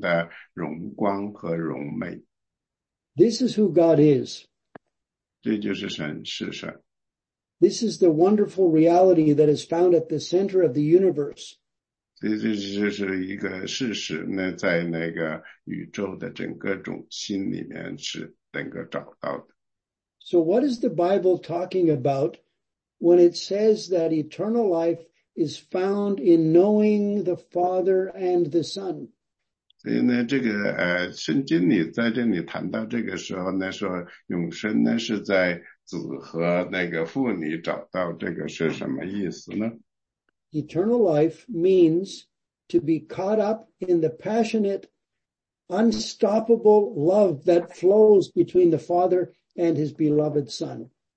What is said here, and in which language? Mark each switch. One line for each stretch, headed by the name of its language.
Chinese: 所以这个呢，是这样一个，就是说呢，你描述不出来的这样的荣光和荣美。
English: This is who God is.
Chinese: 这就是神是神。
English: This is the wonderful reality that is found at the center of the universe.
Chinese: 这就是一个事实，那在那个宇宙的整个中心里面是能够找到的。
English: So what is the Bible talking about when it says that eternal life is found in knowing the Father and the Son?
Chinese: 所以呢，这个圣经里在这里谈到这个时候呢，说永生呢是在子和那个父里找到，这个是什么意思呢？
English: Eternal life means to be caught up in the passionate, unstoppable love that flows between the Father and his beloved Son.